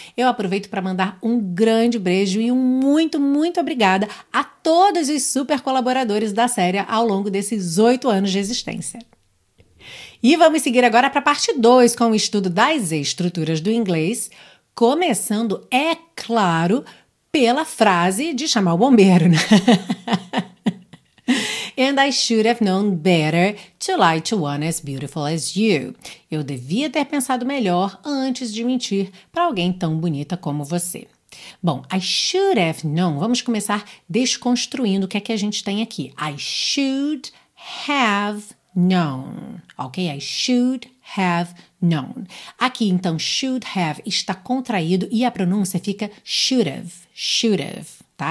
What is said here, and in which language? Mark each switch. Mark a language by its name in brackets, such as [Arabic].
[Portuguese] Eu aproveito para mandar um grande beijo e um muito, muito obrigada a todos os super colaboradores da série ao longo desses 8 anos de existência. E vamos seguir agora para a parte 2 com o estudo das estruturas do inglês, começando, é claro, pela frase de chamar o bombeiro, né? [English] And I should have known better to lie to one as beautiful as you. [Portuguese] Eu devia ter pensado melhor antes de mentir para alguém tão bonita como você. Bom, [English] I should have known. [Portuguese] Vamos começar desconstruindo o que é que a gente tem aqui. [English] I should have known. Ok? I should have known. [Portuguese] Aqui, então, should have está contraído e a pronúncia fica should have. Should have. Tá?